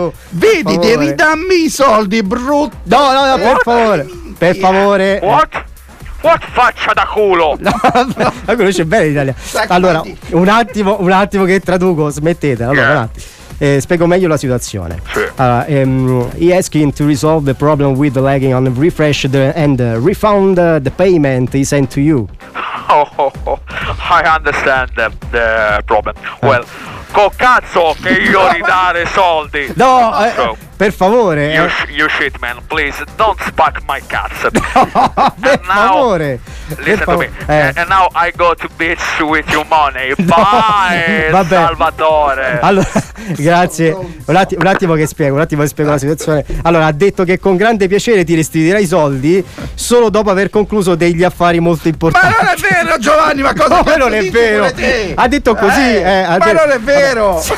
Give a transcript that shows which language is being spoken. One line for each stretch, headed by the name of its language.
Italian: Vedi, devi darmi i soldi, brutto. No, per favore. Per favore. What faccia da culo? La conosce bene l'Italia. Allora, un attimo che traduco, smettete. Allora, un attimo. Spiego meglio la situazione.
English: He asking to resolve the problem with the lagging on refresh and refund the payment he sent to you. I understand the problem.
Italian: Well, co cazzo che io ridare soldi. No, per favore.
English: You shit man, please don't spark my cazzo. And now I go to bitch with your money. Bye. Salvatore.
Italian: Allora, grazie. Un attimo che spiego la situazione. Allora, ha detto che con grande piacere ti restituirai i soldi solo dopo aver concluso degli affari molto importanti. Ma non è vero, Giovanni, ma cosa? Ma non è vero. Ha detto così, non è vero.